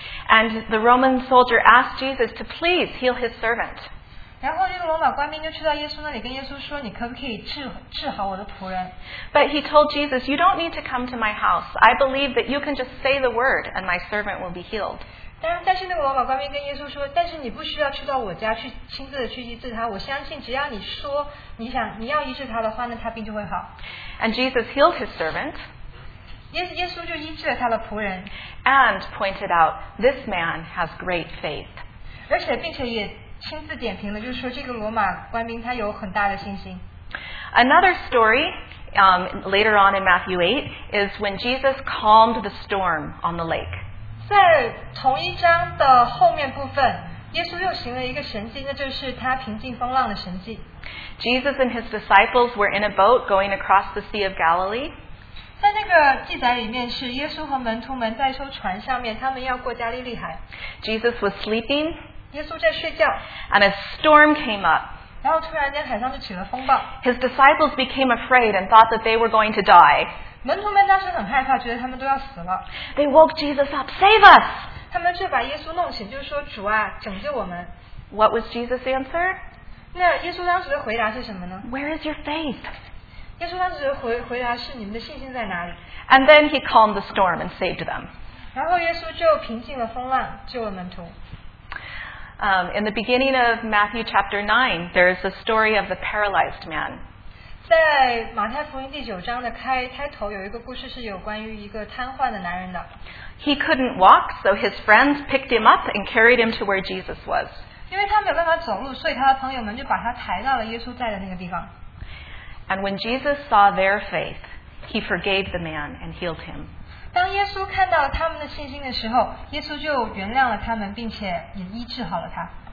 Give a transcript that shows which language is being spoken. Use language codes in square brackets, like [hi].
[en] And the Roman soldier asked Jesus to please heal his servant. [zh] 然后这个罗马官兵就去到耶稣那里跟耶稣说，你可不可以治好我的仆人。 [en] But he told Jesus, you don't need to come to my house. I believe that you can just say the word and my servant will be healed. [zh] 但是那个罗马官兵跟耶稣说，但是你不需要去到我家去亲自的去医治他，我相信只要你说你要医治他的话，那他病就会好。 [en] And Jesus healed his servant. [zh] 耶稣就医治了他的仆人 [en] and pointed out this man has great faith. [zh] 而且并且也亲自点评了，就是说这个罗马官兵他有很大的信心。 [en] Another story, later on in Matthew 8, is when Jesus calmed the storm on the lake. [zh] 在同一章的后面部分，耶稣又行了一个神迹，那就是他平静风浪的神迹。 [en] Jesus and his disciples were in a boat going across the Sea of Galilee. [zh] 在那个记载里面，是耶稣和门徒们在一艘船上面，他们要过加利利海。 [en] Jesus was sleeping. [zh] 耶稣在睡觉。 [en] And a storm came up. [zh] 然后突然间海上就起了风暴。 [en] His disciples became afraid and thought that they were going to die. [zh] 门徒们当时很害怕，觉得他们都要死了。 [en] They woke Jesus up, save us! [zh] 他们就把耶稣弄醒，就说主啊，拯救我们。 [en] What was Jesus' answer? [zh] 那耶稣当时的回答是什么呢？ [en] Where is your faith? [zh] 耶稣当时回答是你们的信心在哪里。 [en] And then he calmed the storm and saved them. [zh] 然后耶稣就平静了风浪，救了门徒。 [en] In the beginning of Matthew chapter 9, there is the story of the paralyzed man. [zh] 在马太福音第九章的开头有一个故事是有关于一个瘫痪的男人的。 [en] He couldn't walk, so his friends picked him up and carried him to where Jesus was. [zh] 因为他没有办法走路，所以他的朋友们就把他抬到了耶稣在的那个地方。 [en] And when Jesus saw their faith, he forgave the man and healed him. [zh] 当耶稣看到他们的信心的时候，耶稣就原谅了他们，并且也医治好了他。